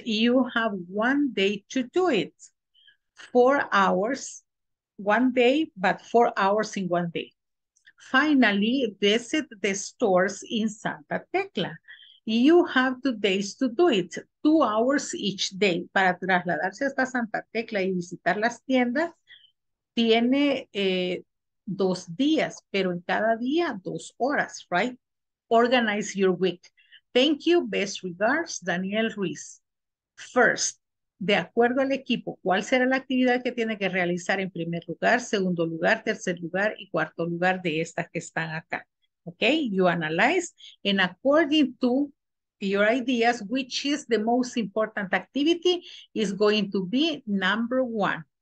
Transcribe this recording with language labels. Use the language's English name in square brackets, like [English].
[English] You have 1 day to do it. 4 hours, 1 day, but 4 hours in 1 day. Finally, visit the stores in Santa Tecla. You have 2 days to do it, 2 hours each day. [Spanish] Para trasladarse hasta Santa Tecla y visitar las tiendas, tiene 2 días, pero en cada día 2 horas, right? [English] Organize your week. Thank you, best regards, Daniel Ruiz. [Spanish] First, de acuerdo al equipo, ¿cuál será la actividad que tiene que realizar en primer lugar, segundo lugar, tercer lugar y cuarto lugar de estas que están acá? [English] Okay, you analyze and according to your ideas, which is the most important activity is going to be number one.